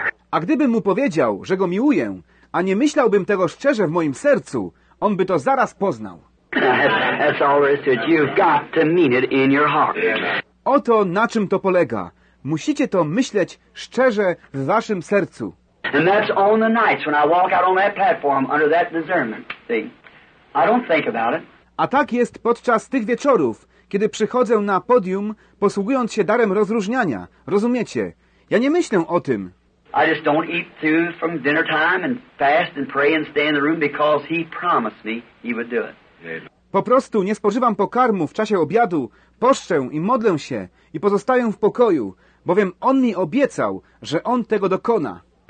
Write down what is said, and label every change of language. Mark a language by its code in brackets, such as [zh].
[pl] A gdybym mu powiedział, że go miłuję, a nie myślałbym tego szczerze w moim sercu, on by to zaraz poznał. [en] That's all there is to it. You've got to mean it in your heart. [pl] Oto na czym to polega. Musicie to myśleć szczerze w waszym sercu. [en] And that's on the nights when I walk out on that platform under that discernment. See, I don't think about it. [pl] A tak jest podczas tych wieczorów, kiedy przychodzę na podium, posługując się darem rozróżniania. Rozumiecie? Ja nie myślę o tym. [en] I just don't eat food from dinner time and fast and pray and stay in the room because he promised me he would do it. [pl] Po prostu nie spożywam pokarmu w czasie obiadu, poszczę i modlę się i pozostaję w pokoju, bowiem on mi obiecał, że on tego dokona.